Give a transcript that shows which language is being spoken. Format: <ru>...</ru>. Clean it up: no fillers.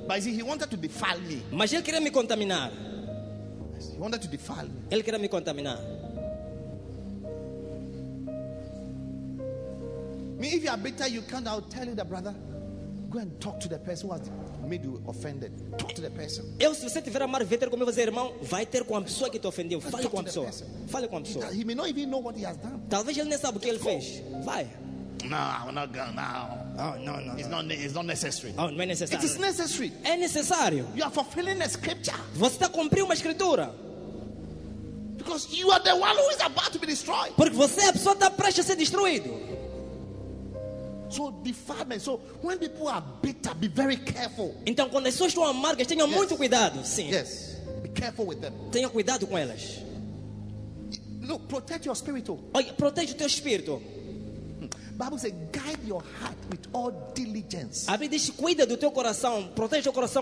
<en>But see, he wanted to defile me.</en> <pt>Mas ele queria me contaminar.</pt> <en>He wanted to defile me.</en> <pt>Ele queria me contaminar.</pt> <en>Me, if you are bitter, you can't. I'll tell you that, brother. Go and talk to the person who has made you offended. Talk to the person.</en> <pt>Eu, se você tiver amado, vai ter comigo, você, irmão, vai ter com a pessoa que te ofendeu. Fale com a pessoa. Fale com a pessoa.</pt> <en>He may not even know what he has done.</en> <pt>Talvez ele nem saiba o que ele fez. Vai.</pt> <en>No, I'm not going now. Oh, no. It's not necessary.</en> <pt>Oh, não é necessário.</pt> <en>It is necessary.</en> <pt>É necessário.</pt> <en>You are fulfilling a scripture.</en> <pt>Você está cumprindo uma escritura.</pt> <en>Because you are the one who is about to be destroyed.</en> <pt>Porque você é a pessoa que está prestes a ser destruído.</pt> <en>So defilement. So when people are bitter, be very careful.</en> <pt>Então quando as pessoas estão amargas, tenha muito cuidado. Sim.</pt> <en>Yes. Be careful with them.</en> <pt>Tenha cuidado com elas.</pt> <en>Look, protect your spirit.</en> <pt>Olha, protege o teu espírito.</pt> <en>Bible says, guide your heart with all diligence.</en> <pt>A Bíblia diz, cuida do teu coração, protege o coração</pt>